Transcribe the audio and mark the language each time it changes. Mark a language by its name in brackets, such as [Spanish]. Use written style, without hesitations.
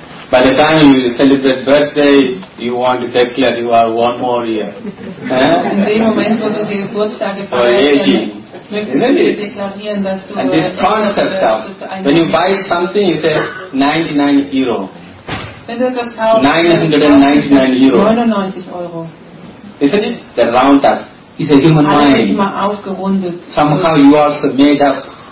[English] By the time you celebrate birthday, you want to declare you are one more year. [German] In dem Moment, wo du die Geburtstage feierst, möchtest du deklarieren, dass du... [English] And this concept of, when you buy something, you say 99 Euro. [German] Wenn du etwas kaufst, 999 Euro. 99 Euro. [English] Isn't it? The round up. Is a human mind. [German] Immer aufgerundet. [English] Somehow you are made up.